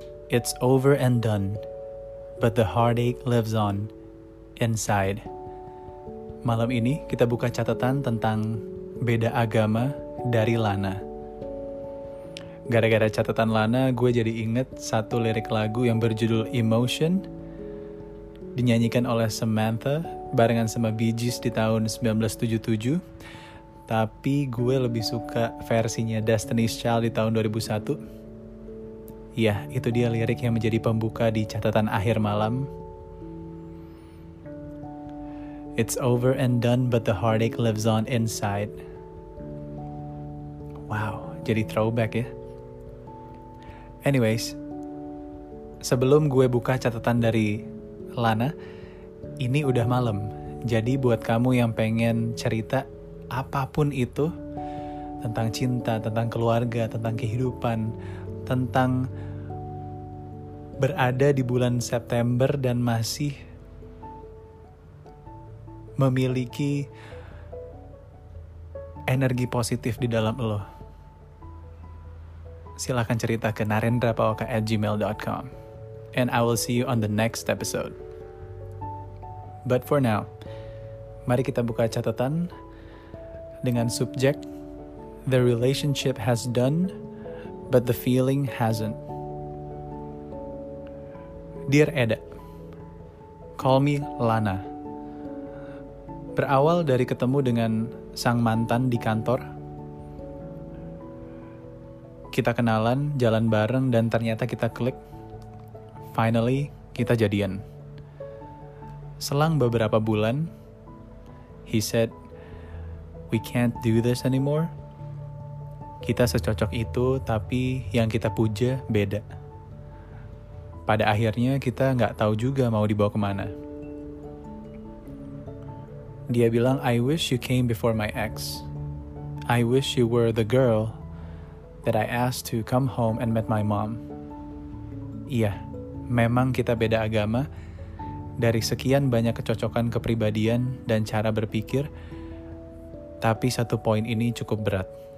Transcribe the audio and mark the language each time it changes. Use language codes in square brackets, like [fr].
[en] It's over and done, but the heartache lives on inside. [id] Malam ini kita buka catatan tentang beda agama dari Lana. Gara-gara catatan Lana, gue jadi inget satu lirik lagu yang berjudul Emotion, dinyanyikan oleh Samantha barengan sama Bee Gees di tahun 1977. Tapi gue lebih suka versinya Destiny's Child di tahun 2001. Ya, itu dia lirik yang menjadi pembuka di catatan akhir malam. [en] It's over and done, but the heartache lives on inside. [id] Wow, jadi throwback ya. Anyways, sebelum gue buka catatan dari Lana, ini udah malam. Jadi buat kamu yang pengen cerita apapun itu, tentang cinta, tentang keluarga, tentang kehidupan, tentang berada di bulan September dan masih memiliki energi positif di dalam lo, silakan cerita ke narendrapawaka@gmail.com. [en] And I will see you on the next episode. But for now, [id] mari kita buka catatan dengan subjek, [en] the relationship has done, but the feeling hasn't. Dear Eda, call me Lana. [id] Berawal dari ketemu dengan sang mantan di kantor, kita kenalan, jalan bareng, dan ternyata kita klik. Finally, kita jadian. Selang beberapa bulan, [en] he said, "We can't do this anymore." [id] Kita secocok itu, tapi yang kita puja beda. Pada akhirnya, kita nggak tahu juga mau dibawa kemana. Dia bilang, [en] "I wish you came before my ex. I wish you were the girl that I asked to come home and met my mom." [id] Iya, memang kita beda agama. Dari sekian banyak kecocokan kepribadian dan cara berpikir, tapi satu poin ini cukup berat.